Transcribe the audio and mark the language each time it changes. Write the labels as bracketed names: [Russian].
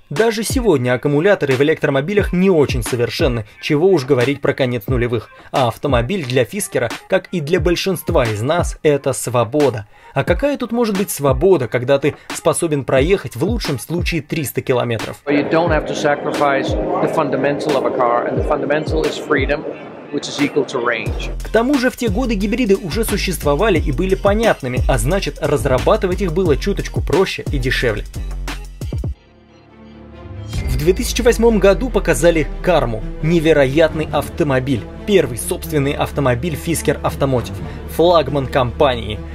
[Russian] Даже сегодня аккумуляторы в электромобилях не очень совершенны, чего уж говорить про конец нулевых. А автомобиль для Фискера, как и для большинства из нас, это свобода. А какая тут может быть свобода, когда ты способен проехать в лучшем случае 300 километров? [English] You don't have to sacrifice the fundamental of a car, and the fundamental is freedom. Which is equal to range. [Russian] К тому же в те годы гибриды уже существовали и были понятными, а значит разрабатывать их было чуточку проще и дешевле. В 2008 году показали Карму – невероятный автомобиль, первый собственный автомобиль Fisker Automotive, флагман компании.